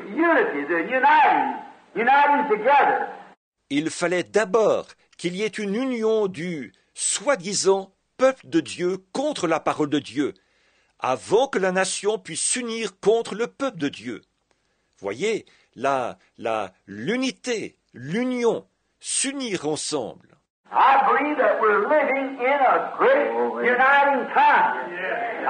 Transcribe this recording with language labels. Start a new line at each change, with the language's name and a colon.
English: The unity, the uniting together.
French: Il fallait d'abord qu'il y ait une union du soi-disant peuple de Dieu contre la parole de Dieu, avant que la nation puisse s'unir contre le peuple de Dieu. Voyez, l'unité, l'union, s'unir ensemble.
English: I believe that we're living in a great uniting time. Yeah.